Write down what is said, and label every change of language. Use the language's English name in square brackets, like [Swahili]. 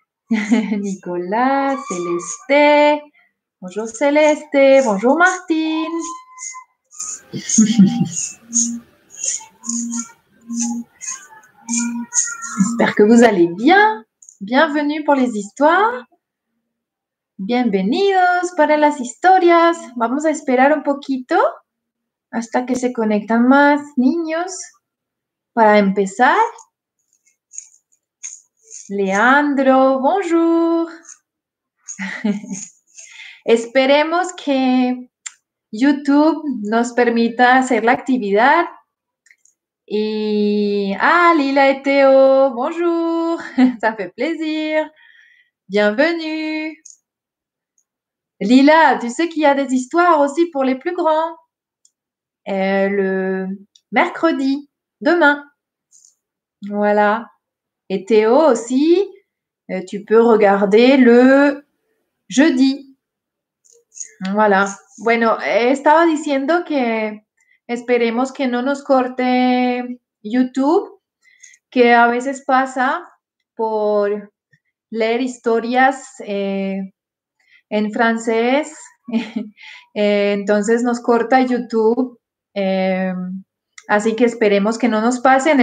[French] Nicolas, Célesté, bonjour Célesté, bonjour Martine. J'espère que vous allez bien, bienvenue pour les histoires. [Spanish] Bienvenidos para las historias. Vamos a esperar un poquito hasta que se conectan más niños para empezar. [French] Leandro, bonjour. [Spanish] Esperemos que YouTube nos permita hacer la actividad. Y, ah, Lila y Teo, bonjour. [French] Ça fait plaisir. Bienvenue. Lila, tu sais qu'il y a des histoires aussi pour les plus grands. Le mercredi, demain. Voilà. Et Théo aussi, tu peux regarder le jeudi. Voilà. [Spanish] Bueno, estaba diciendo que esperemos que no nos corte YouTube, que a veces pasa por leer historias en francés, entonces nos corta YouTube, así que esperemos que no nos pase.